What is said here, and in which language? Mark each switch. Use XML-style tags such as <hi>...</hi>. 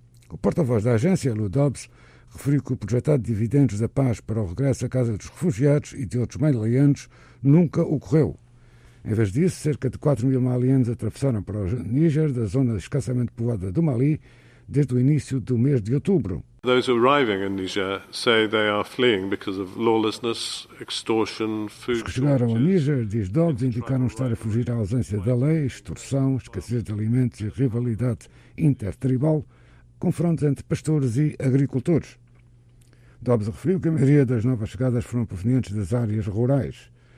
<pt>O porta-voz da agência, Lou Dobbs, referiu que o projetado de dividendos da paz para o regresso à casa dos refugiados e de outros malianos nunca ocorreu. Em vez disso, cerca de 4 mil malianos atravessaram para o Níger, da zona escassamente povoada do Mali, desde o início do mês de outubro.</pt> <en>Those arriving in Niger say they are fleeing because of lawlessness, extortion, food.</en> <pt>Os que chegaram ao Níger, diz Dobbs, indicaram estar a fugir à ausência da lei, extorsão, escassez de alimentos e rivalidade intertribal. Confrontos entre pastores e agricultores. Dobbs referiu que a maioria das novas chegadas foram provenientes das áreas rurais.</pt>